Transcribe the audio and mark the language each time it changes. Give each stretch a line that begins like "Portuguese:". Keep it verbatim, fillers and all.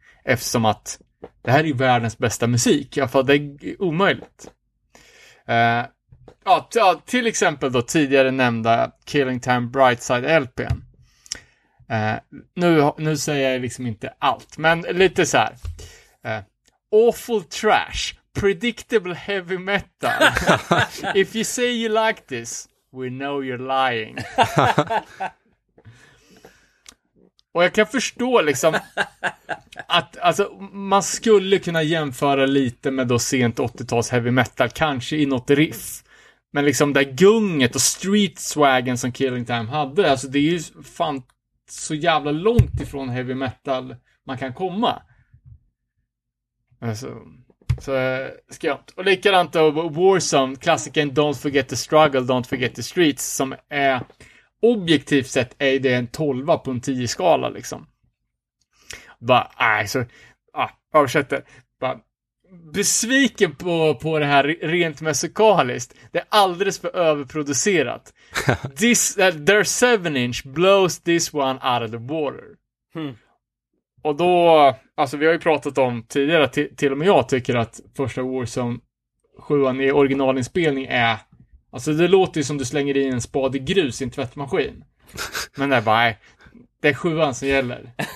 Swedish: Eftersom att det här är ju världens bästa musik. Ja, för det är omöjligt. Uh, ja, t- ja, till exempel då tidigare nämnda Killing Time Brightside L P:n. Uh, nu, nu säger jag liksom inte allt, men lite så här.
English: Uh, awful trash. Predictable heavy metal. If you say you like this, we know you're lying.
Swedish: Och jag kan förstå liksom att alltså, man skulle kunna jämföra lite med då sent åttio-tals heavy metal, kanske i något riff. Men liksom det gunget och street swaggen som Killing Time hade, alltså det är ju fan så jävla långt ifrån heavy metal man kan komma. Alltså... Så skönt. Och likadant då Warzone, klassiken Don't Forget the Struggle, Don't Forget the Streets, som är objektivt sett är det en tolva på en tio-skala liksom. Bara, nej så, ja, översätter. Bara, besviken på, på det här rent musikaliskt. Det är alldeles för överproducerat.
English: this, uh, their seven inch blows this one out of the water. Hmm.
Swedish: Och då, alltså vi har ju pratat om tidigare, t- till och med jag tycker att första Warzone sjuan i originalinspelning är, alltså det låter ju som du slänger i en spade grus i en tvättmaskin. Men det är bara, det är sjuan som gäller.